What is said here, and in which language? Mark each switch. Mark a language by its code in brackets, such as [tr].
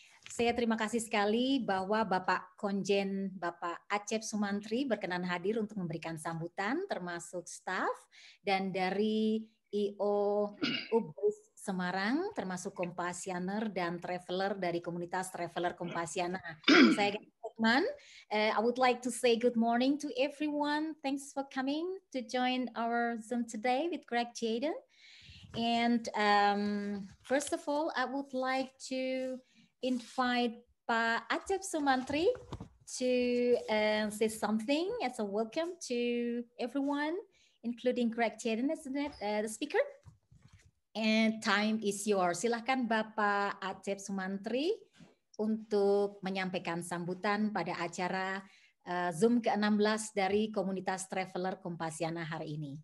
[id] Saya terima kasih sekali bahwa Bapak Konjen, Bapak Acep Somantri berkenan hadir untuk memberikan sambutan termasuk staff dan dari IO UBS Semarang, termasuk Kompasianer dan Traveler dari Komunitas Traveler Kompasiana. Saya Stegmann. [en] I would like to say good morning to everyone. Thanks for coming to join our Zoom today with Gregg Jaden. And first of all, I would like to invite Pak Acep Somantri to say something as a welcome to everyone, including Gregg Jaden, isn't it, the speaker? And time is yours. [id] Silakan Bapak Acep Somantri untuk menyampaikan sambutan pada acara Zoom ke-16 dari Komunitas Traveler Kompasiana hari ini.